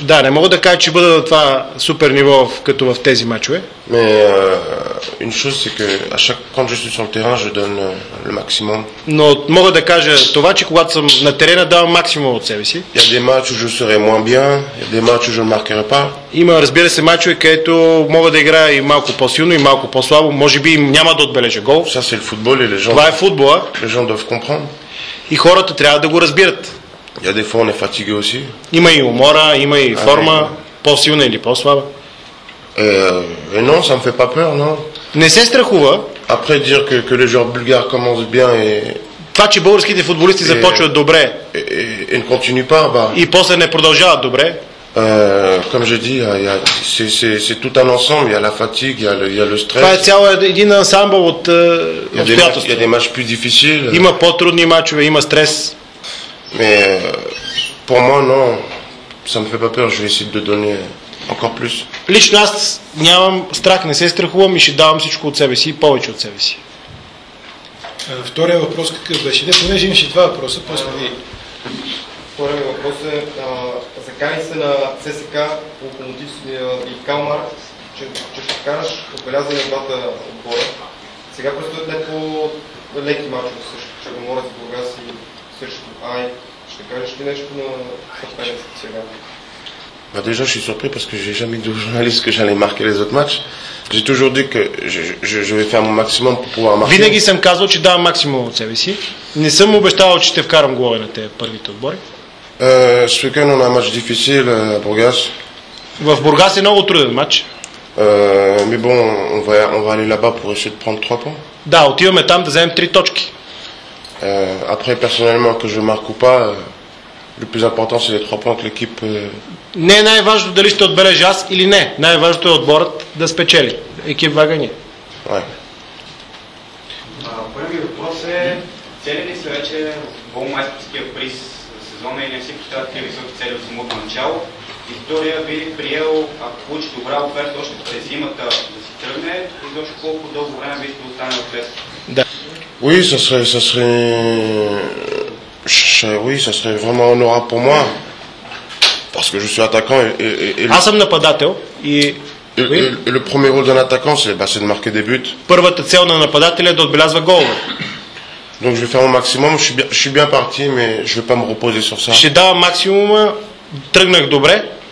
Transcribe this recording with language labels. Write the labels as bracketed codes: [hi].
[bg] Да, не мога да кажа, че бъда на това супер ниво като в тези матчове. [fr] Mais une chose, c'est que à chaque quand je suis sur le terrain, je donne le maximum. [bg] Но мога да кажа това, че когато съм на терена, давам максимум от себе си. [fr] Il y a des matchs où je serai moins bien, il y a des matchs où je ne marquerai pas. [bg] Има, разбира се, мачове, където мога да играя и малко по-силно, и малко по-слабо, може би няма да отбележа гол. [fr] Ça c'est le football et les gens. [bg] Това е футбола. [fr] Les gens doivent comprendre. [bg] И хората трябва да го разбират. [fr] Il y a des fois on est fatigué aussi. [bg] Има и умора, има и форма, по-силна или по-слаба. [fr] Et non, ça me fait pas peur, non. [bg] Не се страхува. [fr] Après dire que les joueurs bulgares commencent bien et [bg] това, че българските футболисти започват добре. [fr] Et ne continue pas, bah. [bg] И после не продължават добре. [fr] Comme j'ai dit, il y a c'est tout un ensemble, il y a la fatigue, il y a le stress. [bg] Това е цял един ансамбъл от [fr] обстоятелства. Il y a des matchs plus difficiles. [bg] Има по-трудни мачове, има стрес. [fr] Mais pour moi non, ça me fait pas peur, je vais essayer de donner encore plus. [bg] Лично аз нямам страх, не се страхувам и ще давам всичко от себе си, повече от себе си. Втория въпрос какъв беше? Не, понеже имаше два въпроса, после ви. Втория въпрос е, закани се на ЦСКА, Локомотив и Калмар, че ще караш отбелязани двата отбора. Сега просто е по-леки мачове също, че говоря с Бургас и също. Ай, ще кажеш ли нещо на съперници сега? [fr] Bah déjà, je suis surpris parce que j'ai jamais dit aux journalistes que j'allais marquer les autres matchs. J'ai toujours dit que je vais faire mon maximum pour pouvoir marquer. [bg] Винаги съм казвал, че давам максимум от себе си. Не съм обещавал, че ще вкарам голове на тези първите отбори. [fr] Ce week-end, on a un match difficile à Bourgas. [bg] В Бургас е много труден матч. [fr] Mais bon, on va aller là-bas pour essayer de prendre 3 points. [bg] Да, отиваме там да вземем 3 точки. [fr] Après, personnellement, que je marque ou pas, le plus important, c'est les 3 points que l'équipe... [bg] Не е най-важно дали ще отбележи аз или не. Най-важното е отборът да спечели. Екип Вагани. Първи въпрос е, цели ли се вече в Голмайстерския приз сезона и не си поставят тия високи цели от самото начало? И втория би приел, ако получи добра оферта още през зимата да си тръгне, и защо колко дълго време би ще остане от ЦСКА? Да. [fr] Oui, ça serait vraiment honorable pour moi. Parce que je suis attaquant [bg] Аз съм нападател и [fr] le premier rôle d'un attaquant c'est de marquer des buts. [bg] Първата цел на нападателя е да отбелязва гол. [fr] Donc je vais faire mon maximum, je suis bien parti mais je vais pas me reposer sur ça. [bg] Ще дава максимума, тръгнах добре.